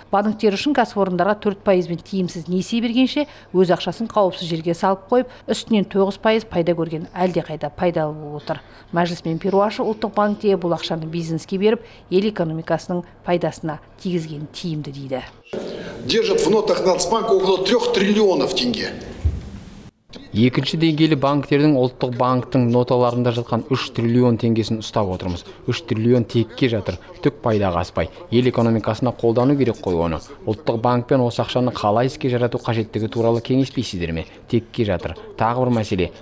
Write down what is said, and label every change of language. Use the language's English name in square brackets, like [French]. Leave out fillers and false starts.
[Kazakh] Банктер үшін кәсіпорындарға 4%-мен тиімсіз несие бергенше өз ақшасын қауіпсіз жерге салып қойып, үстінен 9% пайда көрген әлдеқайда пайдалы болып отыр. Мәжілісмен Перуашев ұлттық банкте бұл ақшаны бизнеске беріп, ел экономикасының пайдасына тигізген тиімді дейді. [Russian] Держат в нотах Нацбанка около 3 триллиона тенге. [Kazakh] Екінші деңгейлі банктердің ұлттық банктың ноталарында жатқан 3 триллион теңгесін ұстап отырмыз. 3 триллион текке жатыр, түк пайдаға аспай. Ел экономикасына қолдану керек қой оны. Ұлттық банкпен осы ақшаны қалай іске жарату қажеттігі туралы кеңеспейсіздер ме? Текке жатыр. Тағы бір мәселе.